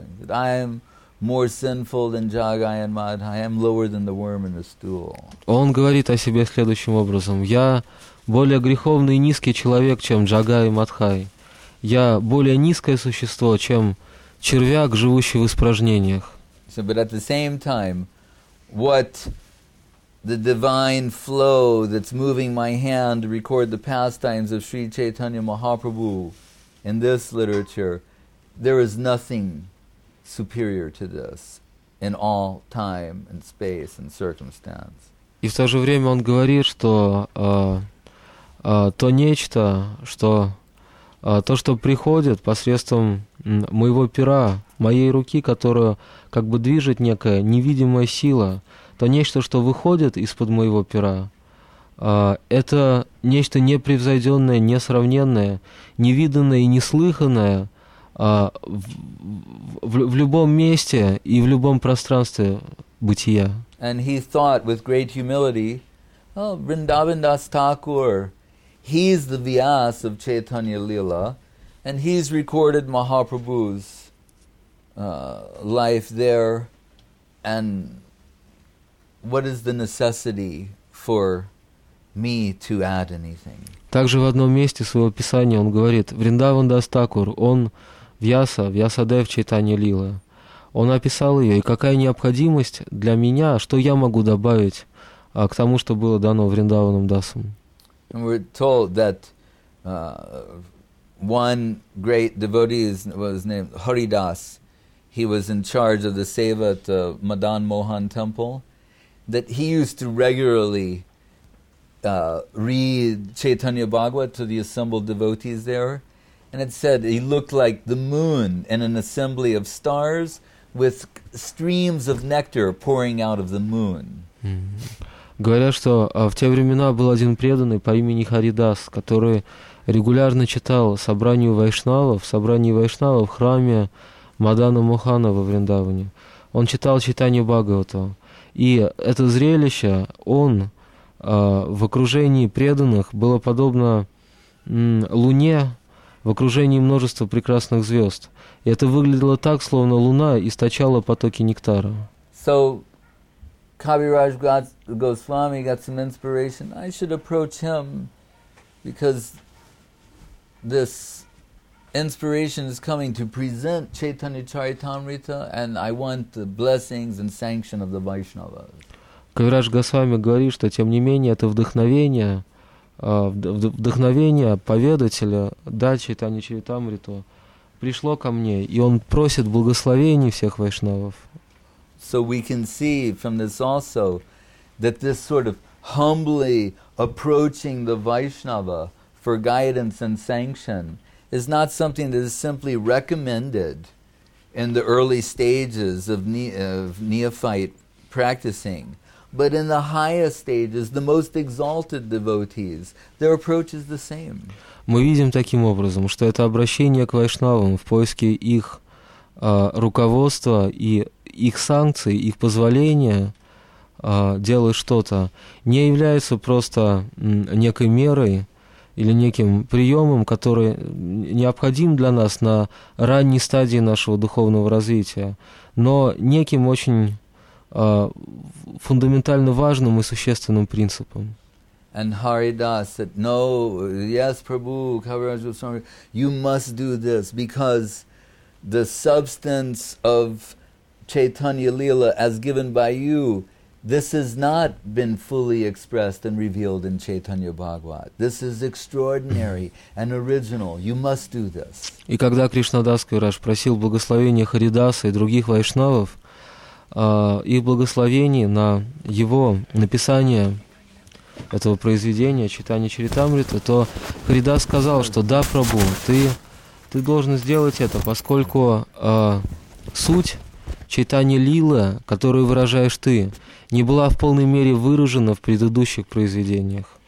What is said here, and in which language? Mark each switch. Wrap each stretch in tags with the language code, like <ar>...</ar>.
<en>I am more sinful than Jagai and Madhai. I am lower than the worm in the stool.</en> <ru>Он говорит о себе следующим образом: я более греховный и низкий человек, чем Джагай и Мадхай. Я более низкое существо, чем червяк, живущий в испражнениях.</ru> <en>So, but at the same time, what the divine flow that's moving my hand to record the pastimes of Sri Chaitanya Mahaprabhu in this literature, there is nothing superior to this in all time and space and circumstance.</en> <ru>И в то же время он говорит, что то нечто, что то, что приходит посредством моего пера, моей руки, которую как бы движет некая невидимая сила, то нечто, что выходит из-под моего пера, это нечто непревзойденное, несравненное, невиданное и неслыханное в любом месте и в любом пространстве бытия.</ru> <en>And he thought with great humility, Vrindavan Das Thakur, he's the Vyas of Chaitanya Lila, and he's recorded Mahaprabhu's life there, and what is the necessity for me to add anything.</en> <ru>Также в одном месте своего писания он говорит: Вриндаван Дас Такур, он Вьяса, Вьясадев Чайтанья Лила. он описал ее, и какая необходимость для меня, что я могу добавить к тому, что было дано Вриндаваном Дасом.</ru> <en>We're told that one great devotee was named Haridas. He was in charge of the seva at the Madan Mohan temple. That he used to regularly read Chaitanya Bhagavat to the assembled devotees there. And it said he looked like the moon in an assembly of stars with streams of nectar pouring out of the moon.</en> <ru>Говорят, что в те времена был один преданный по имени Харидас, который регулярно читал собранию вайшнавов, собрание вайшнавов в храме Мадана Мохана во Вриндаване. Он читал Чайтанья Бхагавата. И это зрелище, он в окружении преданных было подобно луне в окружении множества прекрасных звезд. И это выглядело так, словно луна источала потоки нектара.</ru> <en>So, Kaviraj Goswami got some inspiration. I should approach him because this inspiration is coming to present Chaitanya Charitamrita and I want the blessings and sanction of the Vaishnavas.</en> <ru>Kaviraj Goswami говорит, что тем не менее это вдохновение, вдохновение поведателя дать Чайтанья Чаритамриту пришло ко мне, и он просит благословений всех вайшнавов.</ru> <en>So we can see from this also that this sort of humbly approaching the Vaishnava for guidance and sanction is not something that is simply recommended in the early stages of neophyte practicing. But in the highest stages, the most exalted devotees, their approach is the same.</en> <ru>Мы видим таким образом, что это обращение к вайшнавам в поиске их руководства и их санкций, их позволения делать что-то, не является просто некой мерой или неким приемом, который необходим для нас на ранней стадии нашего духовного развития, но неким очень фундаментально важным и существенным принципом.</ru> <en>And Haridas said, "No, yes, Prabhu, Kaviraj Goswami, you must do this because the substance of Chaitanya Leela as given by you, this has not been fully expressed and revealed in Chaitanya Bhagavat. This is extraordinary and original. You must do this."</en> <ru>И когда Кришнадас Кавираш просил благословения Харидаса и других вайшнавов, их благословение на его написание этого произведения «Чайтанья Чаритамрита», то Харидас сказал, что «Да, Прабху, ты должен сделать это, поскольку суть Чайтанья Лилы, которую выражаешь ты, не была в полной мере выражена в предыдущих произведениях».</ru>